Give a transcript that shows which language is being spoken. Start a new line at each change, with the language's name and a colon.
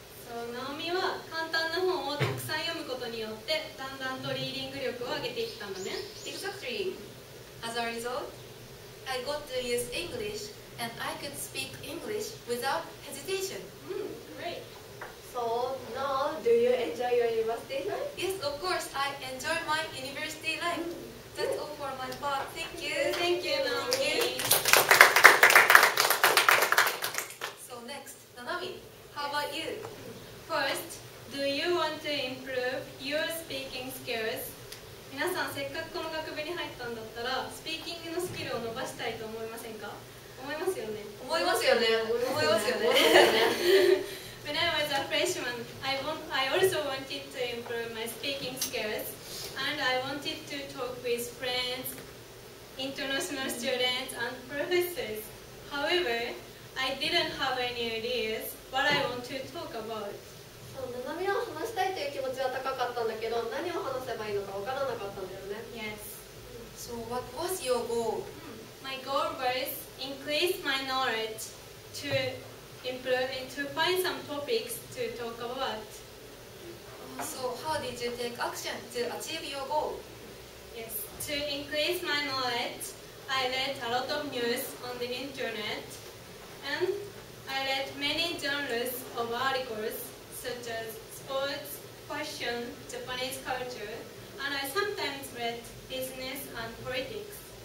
Japanese: そう、ナオミは簡単な本をたくさん読むことによってだんだんとリーディング力を上げていったんだね。
English: Exactly. As a result, I got to use English and I could speak English without hesitation. Great. So now, do you enjoy your university life? Yes, of course, I enjoy my university life. That's all for my part. Thank you. Thank you, Naomi. So next, Nanami, how about you? First, do you want to improve your speaking skills?
Japanese: 皆さん、せっかくこの学部に入ったんだったら、スピーキングのスキルを伸ばしたいと思いませんか？思いますよね。思いますよね。思いますよね。
English: When I was a freshman, I also wanted to improve my speaking skills, and I wanted to talk with friends, international students, and professors. However, I didn't have any ideas. What I want to talk about.
Japanese: そう、ナナミは話したいという気持ちは高かったんだけど、何を話せばいいのか分からなかったんだよね。
English: Yes. So what was your goal? My goal was increase my knowledge to improve and to find some topics to talk about. So how did you take action to achieve your goal? Yes. To increase my knowledge, I read a lot of news on the internet andI read many genres of articles such as sports, fashion, Japanese culture, and I sometimes read business and politics.